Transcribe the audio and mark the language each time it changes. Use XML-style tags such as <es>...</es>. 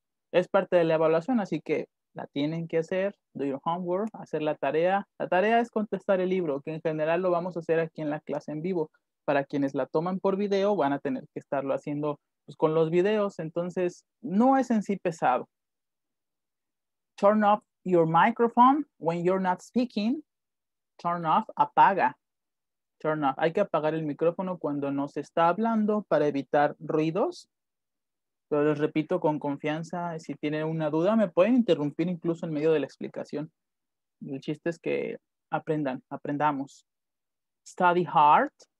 <es>Es parte de la evaluación, así que la tienen que hacer.</es> <en>Do your homework.</en> <es>Hacer la tarea. La tarea es contestar el libro, que en general lo vamos a hacer aquí en la clase en vivo. Para quienes la toman por video, van a tener que estarlo haciendo pues, con los videos. Entonces, no es en sí pesado.</es> <en>Turn off your microphone when you're not speaking. Turn off.</en> <es>Apaga.</es> <en>Turn off.</en> <es>Hay que apagar el micrófono cuando no se está hablando para evitar ruidos. Pero les repito con confianza, si tienen una duda, me pueden interrumpir incluso en medio de la explicación. El chiste es que aprendamos.</es> <en>Study hard.</en>